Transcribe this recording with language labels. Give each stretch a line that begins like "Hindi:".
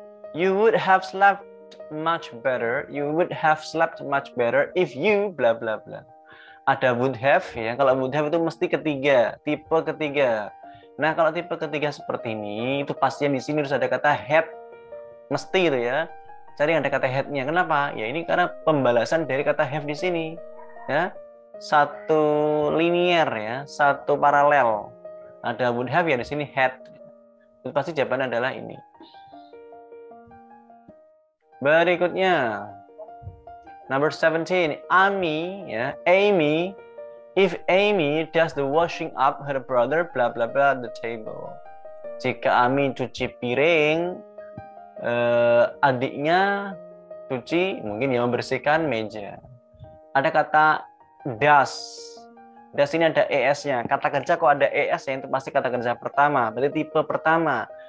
English: You would have slept much better if you blah blah blah.
Indonesian: Ada would have ya, kalau would have itu mesti ketiga, tipe ketiga. Nah, kalau tipe ketiga seperti ini, itu pastinya di sini harus ada kata had, mesti itu ya. Cari yang ada kata had-nya, kenapa? Ya ini karena pembalasan dari kata have di sini. Ya. Satu linear ya, satu paralel. Ada would have ya di sini had. Itu pasti jawabannya adalah ini. Berikutnya.
English: Number 17,
Indonesian: Amy, ya.
English: Amy, if Amy does the washing up her brother blah blah blah the table.
Indonesian: Jika Amy cuci piring, adiknya cuci mungkin yang membersihkan meja. Ada kata does. Does ini ada ES-nya. Kata kerja kok ada ES ya, itu pasti kata kerja pertama. Berarti tipe pertama.